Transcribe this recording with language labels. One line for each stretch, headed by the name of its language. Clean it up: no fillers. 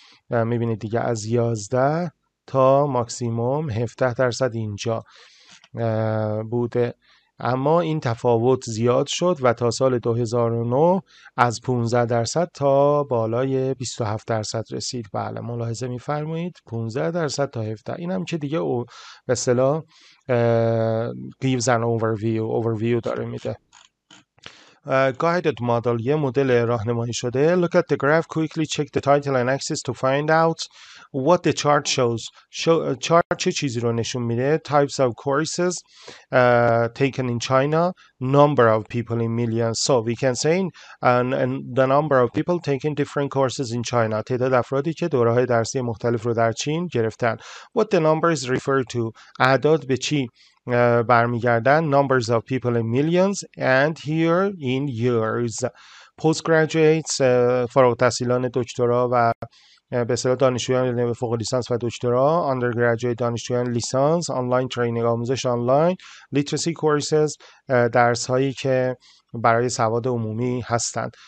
Persian: میبینید دیگه از 11 تا ماکسیموم 17% اینجا بوده، اما این تفاوت زیاد شد و تا سال 2009 از 15% تا بالای 27% رسید. بله ملاحظه می‌فرمایید 15% تا 17. اینم که دیگه به اصطلاح
English: gives an overview
Persian: داره میده.
English: Guided model
Persian: یه مدل راهنمایی شده.
English: Look at the graph quickly, check the title and axis to find out what the chart shows. Chart
Persian: چه چیزی رو نشون میده؟
English: Types of courses taken in China, number of people in millions. So we can say the number of people taking different courses in China.
Persian: تعداد افرادی که دوره‌های درسی مختلف رو در چین گرفتن.
English: What the numbers refer to.
Persian: اعداد به چی؟ برمیگردن.
English: Numbers of people in millions and here in years.
Persian: Postgraduates فارغ التحصیلان دکترا و به اصطلاح دانشجویان فوق لیسانس و دکترا. Undergraduate دانشجویان لیسانس.
English: Online training
Persian: آموزش آنلاین.
English: Literacy courses
Persian: درس هایی که برای سواد عمومی هستند.